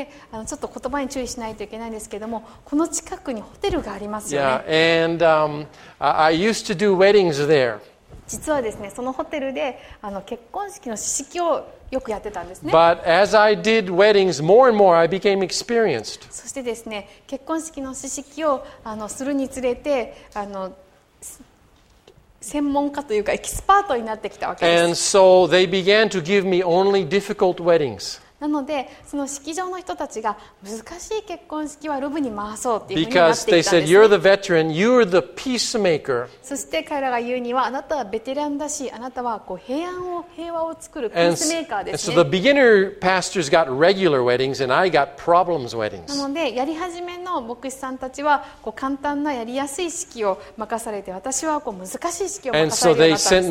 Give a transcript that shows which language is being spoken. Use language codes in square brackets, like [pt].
[ja] あのちょっと言葉に注意しないといけないんですけれども、この近くにホテルがありますよね。 [en] Yeah, and I used to do weddings there. [ja] 実はですね、そのホテルであの結婚式の式をよくやってたんですね。 [en] But as I did weddings, more and more, I became experienced. [ja] そしてですね、結婚式の式をあのするにつれてあの専門家というかエキスパートになってきたわけです。 [en] And so they began to give me only difficult weddings. [ja] なのでその式場の人たちが難しい結婚式はロブに回そうっていうふうになっていたんですね。 [en] Because they said, you're the veteran, you're the peacemaker. [ja] そして彼らが言うにはあなたはベテランだし、あなたはこう平安を平和を作るピースメーカーですね。 [en] And so the beginner pastors got regular weddings and I got problems weddings. [ja] なのでやり始めの牧師さんたちはこう簡単なやりやすい式を任されて、私はこう難しい式を任されるようになったんですね。